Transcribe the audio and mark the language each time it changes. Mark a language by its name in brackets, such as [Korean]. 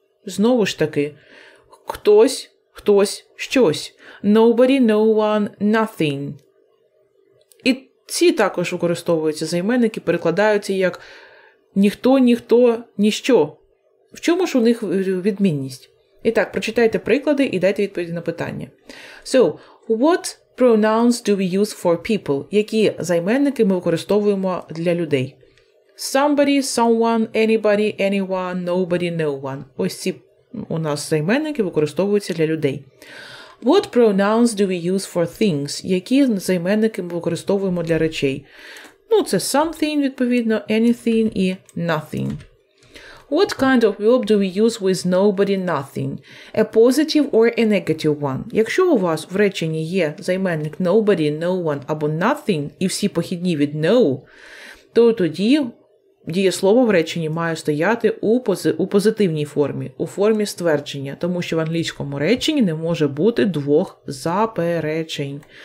[Ukrainian] Знову ж таки, хтось, хтось, щось. [English] Nobody, no one, nothing. [Ukrainian] І ці також використовуються займенники, перекладаються як ніхто, ніхто, ніщо. В чому ж у них відмінність? І так, прочитайте приклади і дайте відповіді на питання. [English] So, what pronouns do we use for people? [Ukrainian] Які займенники ми використовуємо для людей? [English] Somebody, someone, anybody, anyone, nobody, no one. [Ukrainian] Ось ці у нас займенники використовуються для людей. [English] What pronouns do we use for things? [Ukrainian] Які займенники ми використовуємо для речей? Ну, це [English] something, [Ukrainian] відповідно, [English] anything [Ukrainian] і [English] nothing. What kind of verb do we use with nobody, nothing? A positive or a negative one? [Ukrainian] Якщо у вас в реченні є займенник [English] nobody, no one [Ukrainian] або [English] nothing, [Ukrainian] і всі похідні від no, то тоді дієслово в реченні має стояти у позитивній формі, у формі ствердження, тому що в англійському реченні не може бути двох заперечень.